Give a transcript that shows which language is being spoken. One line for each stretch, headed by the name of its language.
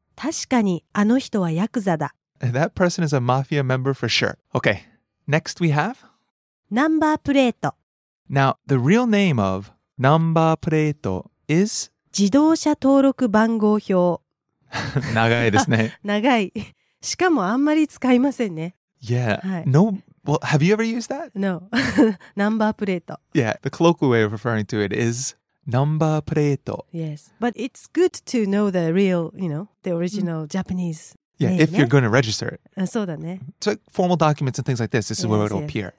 Japanese: 確かにあの人はヤクザだ。
English: That person is a mafia member for sure. Okay, next we have? Number plate. Now, the real name of number plate is?
Japanese: 自動車登録番号表。長いですね。長い。しかもあんまり使いませんね。
English: Yeah,、はい、no, well, have you ever used that? No, number plate. Yeah, the colloquial way of referring to it is number plate. Yes, but it's good to know the real, you know, the original Japanese Yeah, if you're going to register it.
Japanese: そうだね。
English: So formal documents and things like this, this is where it will appear.